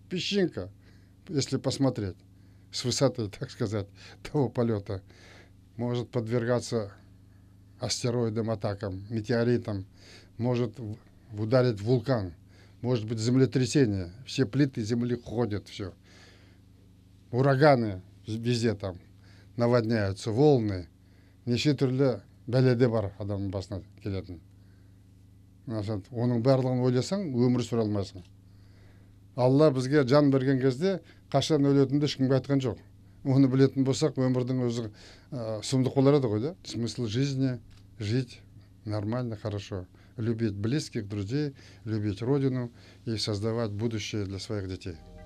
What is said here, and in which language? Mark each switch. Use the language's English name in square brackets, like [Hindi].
[Russian] Песчинка, если посмотреть с высоты, так сказать, того полета, может подвергаться астероидам, атакам, метеоритам, может ударить вулкан. Может быть, землетрясение. Все плиты земли ходят, все. Ураганы везде там наводняются, волны. Не считали [Kazakh] бәледе бар адам басына келетін. [Russian] Значит, [Kazakh] оның барлығын ойласаң, өмір сүре алмайсың. Алла бізге жан берген кезде, қашан өлетінді ешкімге айтқан жоқ. Оны білетін болсақ, өмірдің өзі сұмдық болар еді ғой, да? [Russian] Смысл жизни – жить нормально, хорошо. Любить близких, друзей, любить Родину и создавать будущее для своих детей.